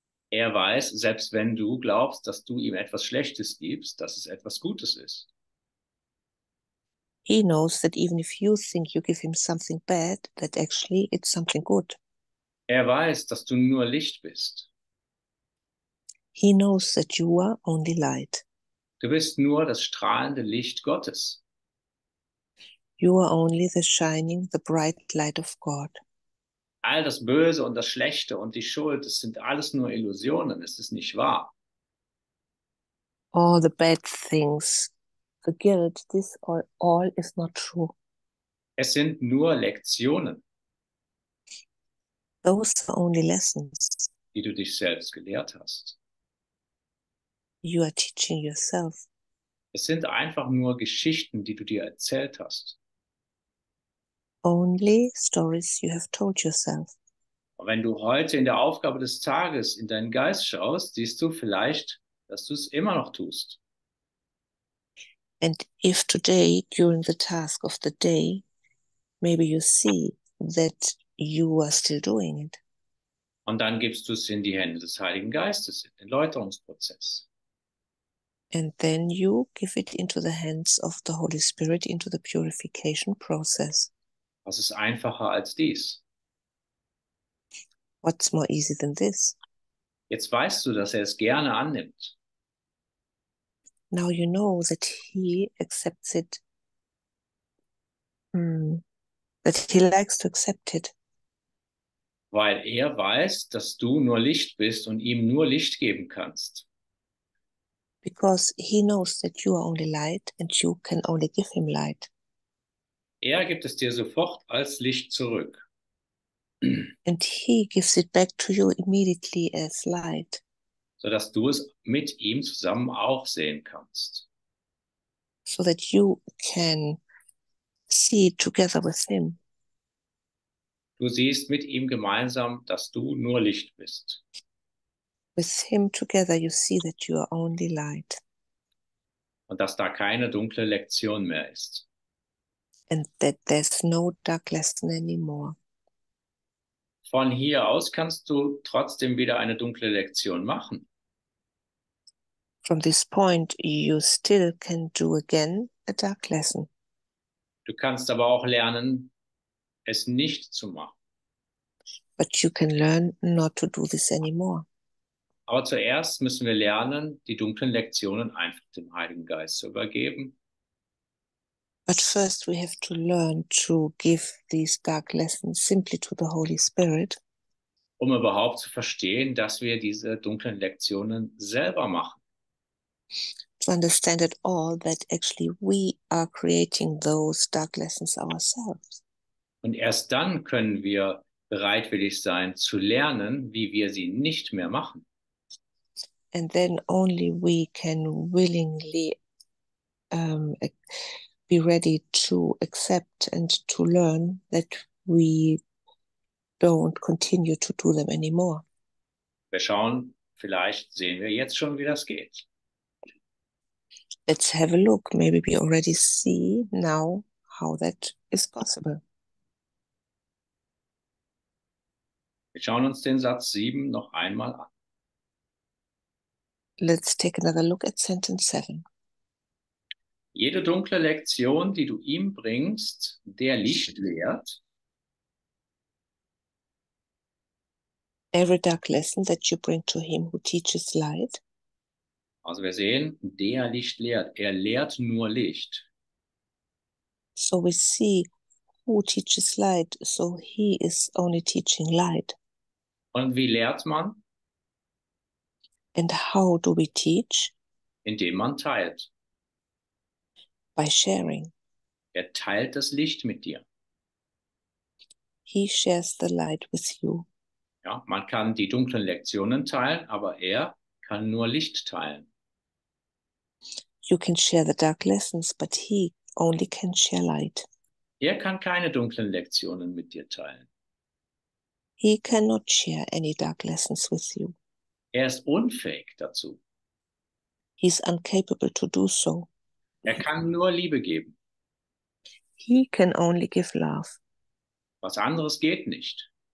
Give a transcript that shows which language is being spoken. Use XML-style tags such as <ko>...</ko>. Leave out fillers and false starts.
<de>Er weiß, selbst wenn du glaubst, dass du ihm etwas Schlechtes gibst, dass es etwas Gutes ist.</de> <en>He knows that even if you think you give him something bad, that actually it's something good.</en> <de>Er weiß, dass du nur Licht bist.</de> <en>He knows that you are only light.</en> <de>Du bist nur das strahlende Licht Gottes.</de> <en>You are only the shining, the bright light of God.</en> <de>All das Böse und das Schlechte und die Schuld, das sind alles nur Illusionen, es ist nicht wahr.</de> <en>All the bad things, the guilt, this all is not true.</en> <de>Es sind nur Lektionen,</de> <en>Those are only lessons.</en> <de>die du dich selbst gelehrt hast.</de> <en>You are teaching yourself.</en> <de>Es sind einfach nur Geschichten, die du dir erzählt hast.</de> <en>Only stories you have told yourself.</en> <de>Und wenn du heute in der Aufgabe des Tages in deinen Geist schaust, siehst du vielleicht, dass du es immer noch tust.</de> <en>And if today, during the task of the day, maybe you see that you are still doing it.</en> <de>Und dann gibst du es in die Hände des Heiligen Geistes, in den Läuterungsprozess.</de> <en>And then you give it into the hands of the Holy Spirit, into the purification process.</en> <de>Was ist einfacher als dies?</de> <en>What's more easy than this?</en> <de>Jetzt weißt du, dass es gerne annimmt.</de> <en>Now you know that he accepts it. That he likes to accept it.</en> <de>Weil weiß, dass du nur Licht bist und ihm nur Licht geben kannst.</de> <en>Because he knows that you are only light and you can only give him light.</en> <de>Gibt es dir sofort als Licht zurück.</de> <en>And he gives it back to you immediately as light.</en> <de>So dass du es mit ihm zusammen auch sehen kannst.</de> <en>So that you can see it together with him.</en> <de>Du siehst mit ihm gemeinsam, dass du nur Licht bist.</de> <en>With him together you see that you are only light.</en> <de>Und dass da keine dunkle Lektion mehr ist.</de> <en>And that there's no dark lesson anymore.</en> <de>Von hier aus kannst du trotzdem wieder eine dunkle Lektion machen.</de> <en>From this point you still can do again a dark lesson.</en> <de>Du kannst aber auch lernen, es nicht zu machen.</de> <en>But you can learn not to do this anymore.</en> <de>Aber zuerst müssen wir lernen, die dunklen Lektionen einfach dem Heiligen Geist zu übergeben.</de> <en>But first we have to learn to give these dark lessons simply to the Holy Spirit.</en> <de>Um überhaupt zu verstehen, dass wir diese dunklen Lektionen selber machen.</de> <en>To understand at all that actually we are creating those dark lessons ourselves.</en> <de>Und erst dann können wir bereitwillig sein, zu lernen, wie wir sie nicht mehr machen.</de> <en>And then only we can willingly be ready to accept and to learn that we don't continue to do them anymore.</en> <de>Wir schauen, vielleicht sehen wir jetzt schon, wie das geht.</de> <en>Let's have a look. Maybe we already see now how that is possible.</en> <de>Wir schauen uns den Satz 7 noch einmal an.</de> <en>Let's take another look at sentence 7.</en> <de>Jede dunkle Lektion, die du ihm bringst, der Licht lehrt.</de> <en>Every dark lesson that you bring to him who teaches light.</en> <de>Also wir sehen, der Licht lehrt. Er lehrt nur Licht.</de> <en>So we see who teaches light. So he is only teaching light.</en> <de>Und wie lehrt man?</de> <en>And how do we teach?</en> <de>Indem man teilt.</de> <en>By sharing.</en> <de>Er teilt das Licht mit dir.</de> <en>He shares the light with you.</en> <de>Ja, man kann die dunklen Lektionen teilen, aber er kann nur Licht teilen.</de> <en>You can share the dark lessons, but he only can share light.</en> <de>Er kann keine dunklen Lektionen mit dir teilen.</de> <en>He cannot share any dark lessons with you.</en> <de>Er ist unfähig dazu.</de> <en>He is incapable to do so.</en> <de>Er kann nur Liebe geben.</de> <en>He can only give love.</en> <de>Was anderes geht nicht.</de>